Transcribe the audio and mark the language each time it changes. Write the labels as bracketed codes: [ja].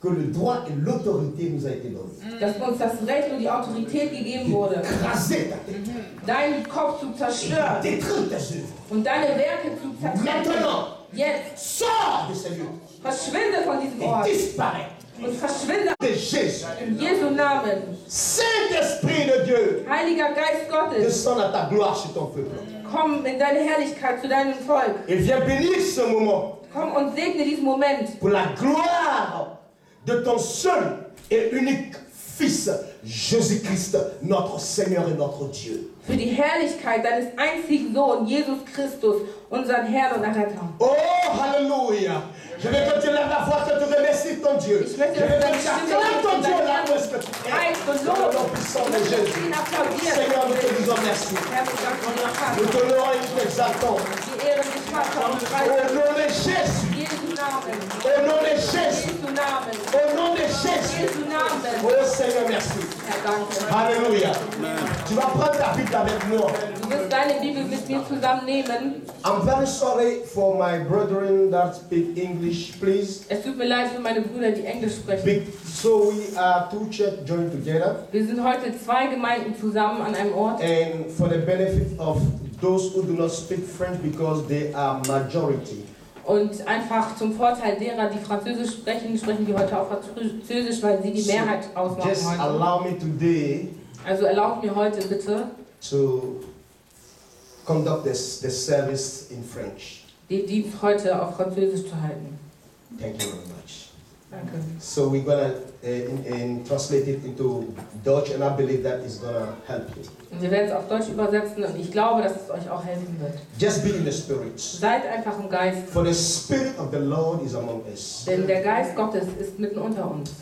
[fr] Que le droit et l'autorité nous a été donné. [de] Dass uns das Recht und die Autorität gegeben wurde. [fr] Écraser ta tête. [de] Deinen Kopf zu zerstören. [fr] Détruire ta vie. [de] Und deine Werke zu zertreten. [fr] Maintenant. [de] Jetzt. [fr] Sors de ce lieu. [de] Verschwinde von diesem Ort. [fr] Et disparaît. [de] Und verschwinde [fr] de Jésus. [de] In Jesu Namen. [fr] Saint-Esprit de Dieu. [de] Heiliger Geist Gottes. [fr] Descends à ta gloire sur ton peuple. [de] Komm in deine Herrlichkeit zu deinem Volk. [fr] Et viens bénir ce moment. [de] Komm und segne diesen Moment. [fr] Pour la gloire de ton seul et unique Fils, Jésus-Christ, notre Seigneur et notre Dieu. [de] Für die Herrlichkeit deines einzigen Sohn, Jesus Christus, unseren Herrn und Erretter. Oh, Halleluja! [fr] Je veux que tu lèves la voix, que tu remercies ton Dieu. Je veux que tu acclames ton Dieu là où est-ce que tu es. Dans le nom puissant de Jésus. Seigneur, nous te disons merci. Nous te louons et nous te exaltons. Au nom de Jésus. Au nom de Jésus. Au nom de Jésus. Oh Seigneur, merci. Alléluia. Tu vas prendre ta Bible avec moi. [en] I'm very sorry for my brethren that speak English, please. [de] Es tut mir leid für meine Brüder, die Englisch sprechen. [en] So we are two churches joined together. [de] Wir sind heute zwei Gemeinden zusammen an einem Ort. [en] And for the benefit of those who do not speak French, because they are majority. [de] Und einfach zum Vorteil derer, die Französisch sprechen, sprechen die heute auch Französisch, weil sie die Mehrheit ausmachen. [en] Just [de] heute. [en] Allow me today. [de] Also erlaubt mir heute bitte. [en] To conduct the service in French. [de] Den Dienst heute auf Französisch zu halten. [en] Thank you very much. [de] Danke. [en] So we're gonna translate it into Dutch, and I believe that is gonna help you. [de] Und wir werden es auf Deutsch übersetzen, und ich glaube, dass es euch auch helfen wird. [en] Just be in the Spirit. [de] Seid einfach im Geist. [en] For the Spirit of the Lord is among us. [de] Denn der Geist Gottes ist mitten unter uns.